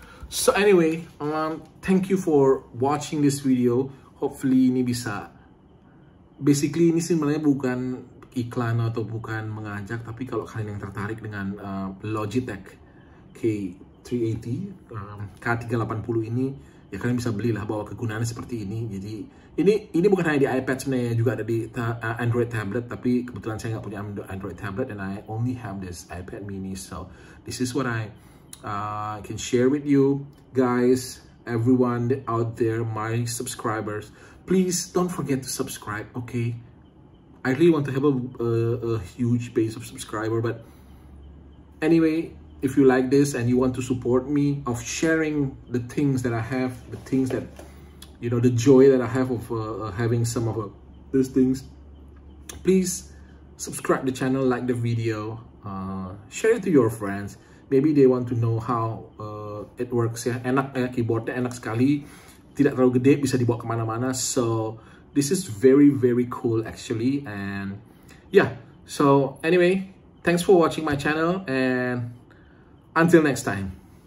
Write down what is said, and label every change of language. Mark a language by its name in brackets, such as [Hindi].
[English] So anyway, thank you for watching this video. [Indonesian] Hopefully ini bisa. Basically ini sebenarnya bukan iklan atau bukan mengajak, tapi kalau kalian yang tertarik dengan Logitech K380 ini, ya kalian bisa belilah, bahwa kegunaannya seperti ini. Jadi ini bukan hanya di iPad sebenarnya, juga ada di Android tablet, tapi kebetulan saya nggak punya Android tablet [English] and I only have this iPad mini. So this is what I can share with you guys, everyone out there, my subscribers. Please don't forget to subscribe, okay? I really want to have a huge base of subscriber, but anyway, if you like this and you want to support me of sharing the things that I have, the things that, you know, the joy that I have of having some of those things, please subscribe the channel, like the video, share it to your friends. Maybe they want to know how it works. [Indonesian] Yeah, enak ya, keyboardnya enak sekali, tidak terlalu gede, bisa dibawa kemana-mana. [English] So this is very, very cool actually. And yeah, so anyway, thanks for watching my channel and until next time.